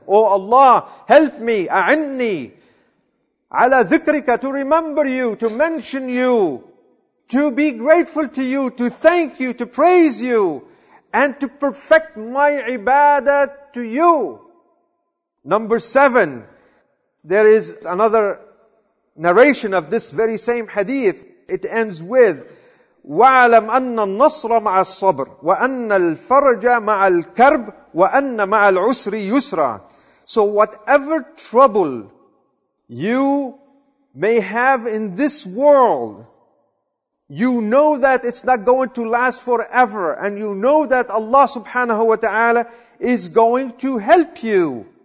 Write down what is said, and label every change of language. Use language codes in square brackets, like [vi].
[en] Oh Allah, help me, a'inni ala dhikrika, to remember you, to mention you, to be grateful to you, to thank you, to praise you, and to perfect my ibadah to you. Number seven, there is another narration of this very same hadith. It ends with, [ar] وَعَلَمْ أَنَّ النَّصْرَ مَعَ الصَّبْرِ وَأَنَّ الْفَرْجَ مَعَ الْكَرْبِ وَأَنَّ مَعَ الْعُسْرِ يُسْرًا. [en] So whatever trouble you may have in this world, you know that it's not going to last forever, and you know that Allah subhanahu wa ta'ala is going to help you.